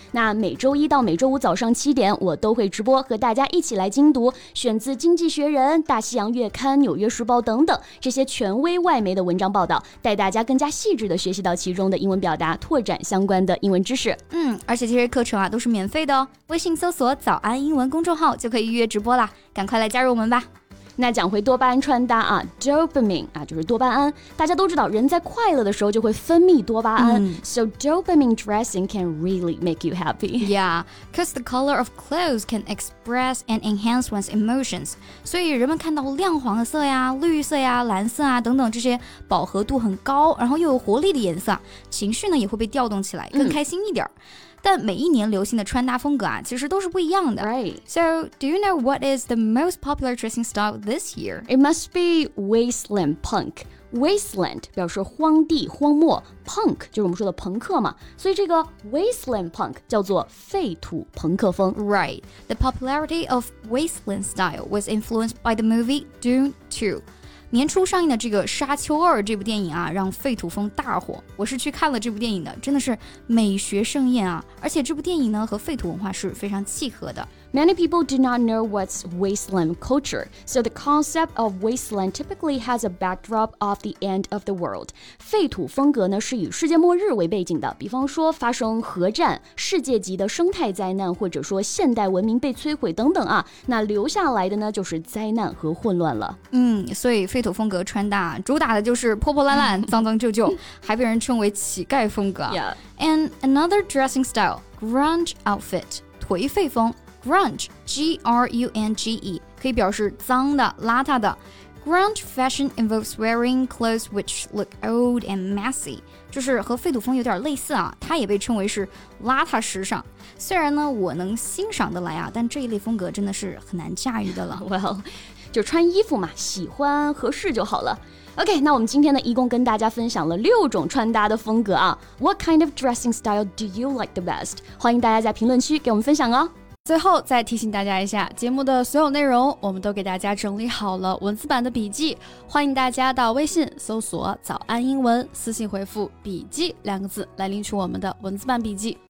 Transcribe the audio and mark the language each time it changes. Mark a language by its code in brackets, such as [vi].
[zh] 那每周一到每周五早上7点，我都会直播和大家一起来精读选自《经济学人》、《大西洋月刊》、《纽约时报》等等这些权威外媒的文章报道，带大家更加细致的学习到其中的英文表达，拓展相关的英文知识。嗯，而且这些课程啊都是免费的哦，微信搜索“早安英文”公众号就可以预约直播啦，赶快来加入我们吧。那讲回多巴胺穿搭啊 ，dopamine 啊，就是多巴胺。大家都知道，人在快乐的时候就会分泌多巴胺。 [en] So dopamine dressing can really make you happy. Yeah, because the color of clothes can express and enhance one's emotions. [zh] 所以人们看到亮黄色呀、绿色呀、蓝色啊等等这些饱和度很高，然后又有活力的颜色，情绪呢也会被调动起来，更开心一点。但每一年流行的穿搭风格啊，其实都是不一样的。 [en] Right. So, do you know what is the most popular dressing style this year? It must be waistline punk. [zh] Waistline 表示荒地、荒漠 ，punk 就是我们说的朋克嘛。所以这个 waistline punk 叫做废土朋克风。 [en] Right. The popularity of waistline style was influenced by the movie Dune 2. [zh] 年初上映的这个《沙丘二》这部电影啊，让废土风大火。我是去看了这部电影的，真的是美学盛宴啊！而且这部电影呢，和废土文化是非常契合的。 [en] Many people do not know what's wasteland culture. So the concept of wasteland typically has a backdrop of the end of the world. [zh] 废土风格呢是以世界末日为背景的，比方说发生核战、世界级的生态灾难，或者说现代文明被摧毁等等啊。那留下来的呢就是灾难和混乱了。嗯，所以废土风格穿搭主打的就是破破烂烂、脏脏旧旧，还被人称为乞丐风格。 [en] Yeah. And another dressing style, grunge outfit, 颓废风。 [zh] Grunge, G-R-U-N-G-E, 可以表示脏的、邋遢的。 [en] Grunge fashion involves wearing clothes which look old and messy, [zh] 就是和废土风有点类似啊，它也被称为是邋遢时尚。虽然呢，我能欣赏得来啊，但这一类风格真的是很难驾驭的了。 Well, 就穿衣服嘛，喜欢合适就好了。 OK, 那我们今天呢，一共跟大家分享了六种穿搭的风格啊。 [en] What kind of dressing style do you like the best? [zh] 欢迎大家在评论区给我们分享哦。最后再提醒大家一下，节目的所有内容我们都给大家整理好了文字版的笔记，欢迎大家到微信搜索早安英文，私信回复笔记两个字来领取我们的文字版笔记。